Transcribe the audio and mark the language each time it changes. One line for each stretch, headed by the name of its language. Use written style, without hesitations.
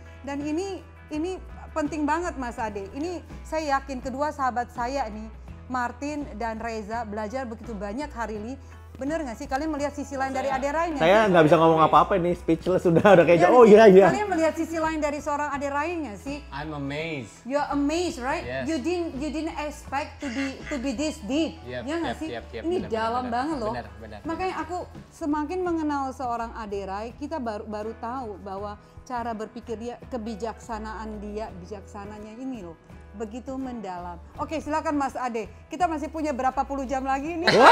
Indonesian: Dan ini penting banget Mas Ade. Ini saya yakin kedua sahabat saya ini, Martin dan Reza, belajar begitu banyak hari ini. Bener gak sih? Kalian melihat sisi lain dari Ade Rai? Saya gak bisa ngomong apa-apa ini, speechless sudah, udah kayak, oh iya iya. Kalian melihat sisi lain dari seorang Ade Rai gak sih?
English: I'm amazed. You're amazed, right? Yes. You didn't expect to be this deep.
Indonesian: Yep, ya gak sih? Yep. Ini bener, dalam bener, banget loh. Bener. Makanya aku semakin mengenal seorang Ade Rai, kita baru tahu bahwa cara berpikir dia, kebijaksanaan dia, bijaksananya ini loh, begitu mendalam. Oke, silakan Mas Ade. Kita masih punya berapa puluh jam lagi nih?